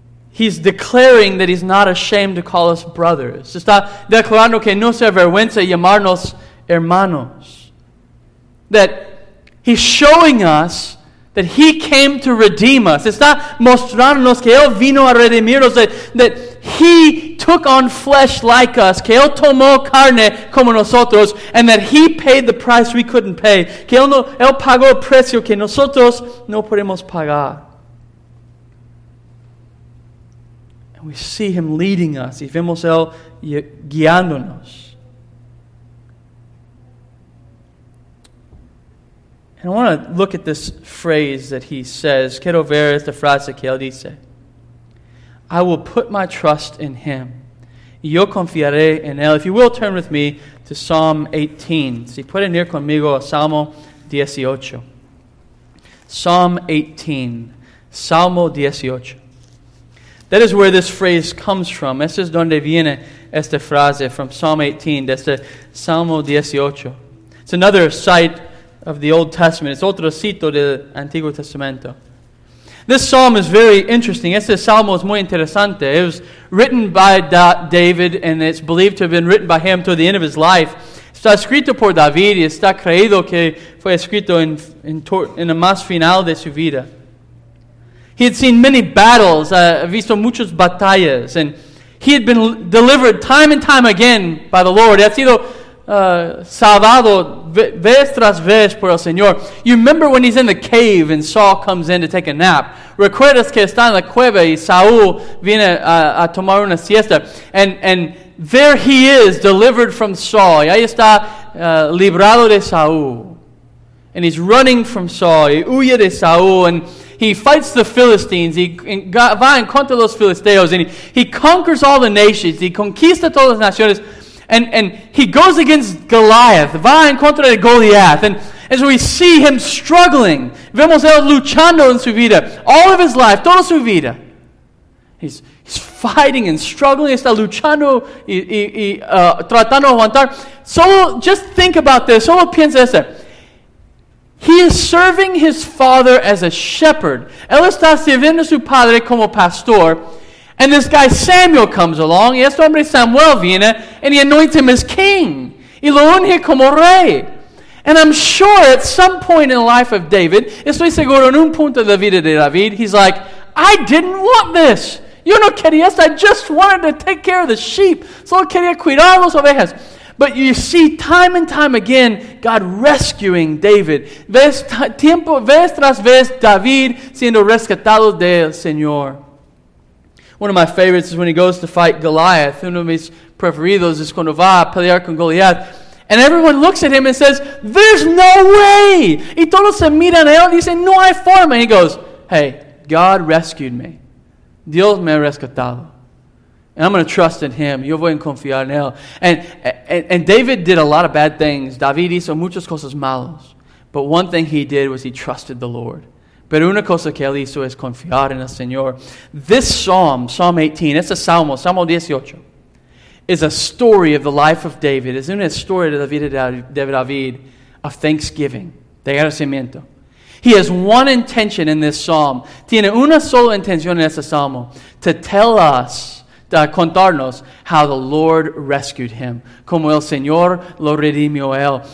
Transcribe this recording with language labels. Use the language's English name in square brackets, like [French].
[English] He's declaring that he's not ashamed to call us brothers. [Spanish] Está declarando que no se avergüenza llamarnos hermanos. [English] That he's showing us that he came to redeem us. [Spanish] Está mostrándonos que él vino a redimirnos. [English] That he took on flesh like us, [Spanish] que él tomó carne como nosotros, [English] and that he paid the price we couldn't pay, [Spanish] que él, no, él pagó el precio que nosotros no podemos pagar. [English] And we see him leading us, [Spanish] y vemos él guiándonos. [English] And I want to look at this phrase that he says, [Spanish] quiero ver esta frase que él dice. [English] I will put my trust in him. [Spanish] yo confiaré en él. [English] If you will, turn with me to Psalm 18. [Spanish] Si pueden ir conmigo a Salmo 18. [English] Psalm 18. Salmo 18. That is where this phrase comes from. [Spanish] Es es donde viene esta frase, [English] from Psalm 18, [Spanish] desde Salmo 18. [English] It's another site of the Old Testament. [Spanish] It's otro sitio del Antiguo Testamento. [English] This psalm is very interesting. [Spanish] Este salmo es muy interesante. [English] It was written by David, and it's believed to have been written by him toward the end of his life. [Spanish] Está escrito por David, y está creído que fue escrito en el más final de su vida. [English] He had seen many battles, [Spanish] visto muchas batallas, [English] and he had been delivered time and time again by the Lord. [Spanish] Ha sido salvado vez tras vez por el Señor. [English] You remember when he's in the cave and Saul comes in to take a nap. [Spanish] Recuerdas que está en la cueva y Saul viene a tomar una siesta. [English] And there he is, delivered from Saul. [Spanish] Y ahí está librado de Saul. [English] And he's running from Saul. [Spanish] Y huye de Saul. [English] And he fights the Philistines. [Spanish] Va en contra los filisteos. [English] And he conquers all the nations. [Spanish] He conquista todas las naciones. [English] And he goes against Goliath. [Spanish] Va en contra de Goliath. [English] And so we see him struggling. [Spanish] Vemos él luchando en su vida. [English] All of his life. [Spanish] Toda su vida. [English] He's fighting and struggling. [Spanish] Está luchando tratando de aguantar. [English] Solo, just think about this. [Spanish] Solo piensa esto. [English] He is serving his father as a shepherd. [Spanish] Él está sirviendo a su padre como pastor. [English] And this guy Samuel comes along. [Spanish] Y este hombre Samuel viene. [English] And he anoints him as king. [Spanish] Y lo unge como rey. [English] And I'm sure at some point in the life of David, [Spanish] estoy seguro en un punto de la vida de David, [English] he's like, I didn't want this. [Spanish] Yo no quería esto. [English] I just wanted to take care of the sheep. [Spanish] Solo quería cuidar las ovejas. [English] But you see time and time again, God rescuing David. [Spanish] Vez tras vez, David siendo rescatado del Señor. [English] One of my favorites is when he goes to fight Goliath. [Spanish] Uno de mis preferidos es cuando va a pelear con Goliath. [English] And everyone looks at him and says, there's no way. [Spanish] Y todos se miran a él y dicen, no hay forma. [English] He goes, hey, God rescued me. [Spanish] Dios me ha rescatado. [English] And I'm going to trust in him. [Spanish] Yo voy a confiar en él. [English] And David did a lot of bad things. [Spanish] David hizo muchas cosas malas. [English] But one thing he did was he trusted the Lord. [Spanish] Pero una cosa que él hizo es confiar en el Señor. [English] This psalm, Psalm 18, it's a salmo, Salmo 18, is a story of the life of David. [Spanish] Es una historia de la vida de David [English] of thanksgiving, [Spanish] de agradecimiento. [English] He has one intention in this psalm. [Spanish] Tiene una sola intención en este salmo. [English] To tell us, to contarnos how the Lord rescued him. [Spanish] Como el Señor lo redimió él.